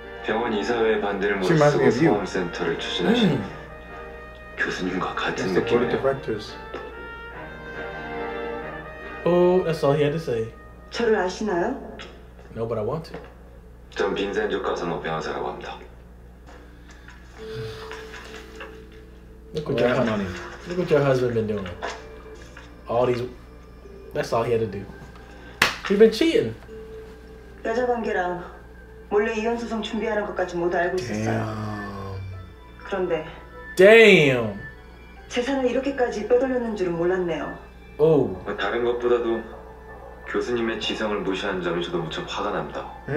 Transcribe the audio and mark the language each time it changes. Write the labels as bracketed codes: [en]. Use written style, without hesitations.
[ko] 병원 이사회 반대를 모아서 보험센터를 추진하신 교수님과 같은 느낌이에요. [en] Oh, that's all he had to say. [ko] 저를 아시나요? [en] No, but I want to. [ko] 전 빈센조 가산호 변호사라고 합니다. [en] Look what your husband. Look what your husband been doing. All these. That's all he had to do. You've been cheating. [ko] 여자 관계랑 몰래 이혼 소송 준비하는 것까지 모두 알고 있었어요. 그런데 [en] damn. [ko] 재산을 이렇게까지 빼돌렸는 줄은 몰랐네요. 오. 다른 것보다도 교수님의 지성을 무시한 점이 저도 무척 화가 납니다.